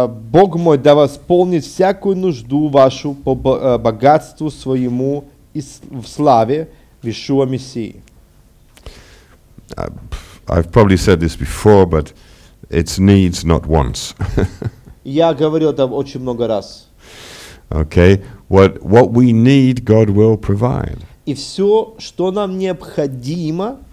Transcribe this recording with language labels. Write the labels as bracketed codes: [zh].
[ru] Бог мой да восполнит всякую нужду вашу по богатству своему и в славе Вишуа Мессии. [en] I've probably said this before, but it's needs, not wants. [ru] Я говорю это очень много раз. [en] Okay, what we need, God will provide. [ru] И все, что нам необходимо,